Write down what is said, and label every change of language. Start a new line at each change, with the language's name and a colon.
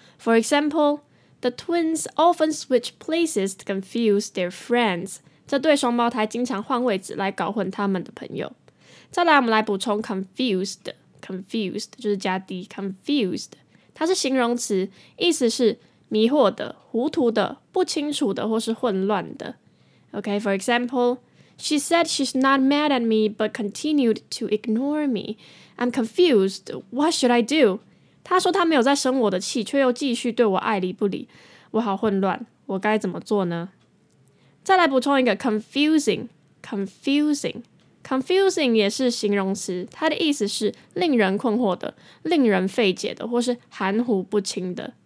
English: For example, the twins often switch places to confuse their friends.
Chinese: 这对双胞胎经常换位置来搞混他们的朋友。再来，我们来补充 confused 就是加 d confused， 它是形容词，意思是迷惑的、糊涂的、不清楚的或是混乱的。
English: Okay, for example. She said she's not mad at me, but continued to ignore me. I'm confused. What should I do?
Chinese: 她说她没有在生我的气，却又继续对我爱理不理。我好混乱，我该怎么做呢？再来补充一个 confusing 也是形容词，它的意思是令人困惑的、令人费解的，或是含糊不清的。